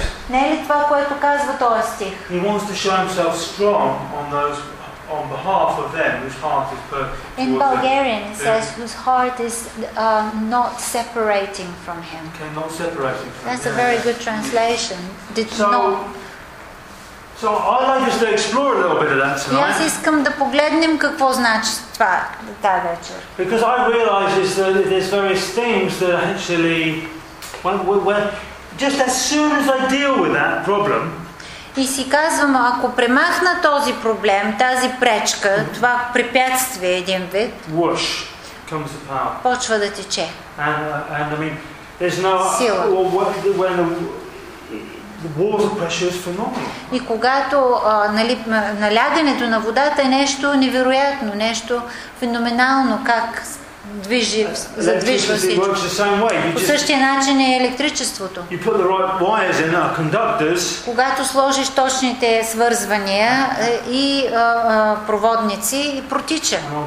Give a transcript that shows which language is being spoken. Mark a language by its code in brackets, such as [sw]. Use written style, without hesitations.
[bg] Не е ли това, което казва този стих? [en] He wants to show himself strong on those on behalf of them whose heart is perfect. In Bulgarian it says whose heart is not separating from him. Okay, not separating from That's him. A very good translation. Did so, not. So I'd like us to explore a little bit of that tonight. Yes, [bg] искам да погледнем какво значи това тази вечер. [en] Because I realize is that there's various things that actually when just as soon as I deal with that problem. [bg] И си казвам, ако премахна този проблем, тази пречка, това препятствие един вид, [en] whoosh, comes the power. [bg] Почва да тече. [en] And I mean, there's no [bg] сила. [en] When the water pressure is phenomenal. [bg] И когато налягането на водата е нещо невероятно, нещо феноменално, как движи, задвижва всичко. По същия начин е електричеството. [en] Right, [bg] когато сложиш точните свързвания и проводници, протича.